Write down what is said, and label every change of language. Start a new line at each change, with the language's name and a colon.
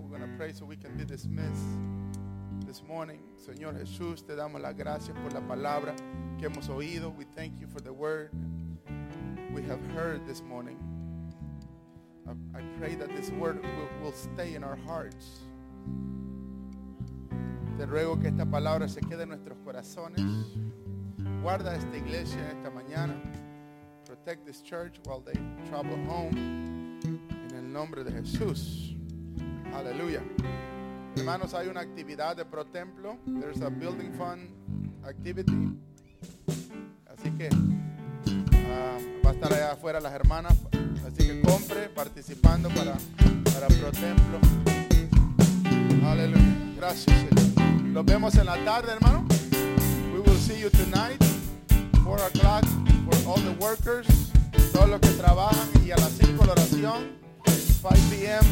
English: We're going to pray so we can be dismissed this morning.
Spanish: Señor Jesús, te damos las gracias por la palabra que hemos oído.
English: We thank you for the word we have heard this morning. I pray that this word will stay in our hearts.
Spanish: Te ruego que esta palabra se quede en nuestros corazones. Guarda esta iglesia esta mañana.
English: Protect this church while they travel home.
Spanish: En el nombre de Jesús. Aleluya. Hermanos, hay una actividad de Pro Templo.
English: There's a building fund activity.
Spanish: Así que va a estar allá afuera las hermanas. Así que compre participando para Pro Templo. Aleluya. Gracias, Señor. Nos vemos en la tarde, hermano.
English: We will see you tonight, 4 o'clock, for all the workers,
Spanish: todos los que trabajan, y a las 5 la oración,
English: 5 p.m.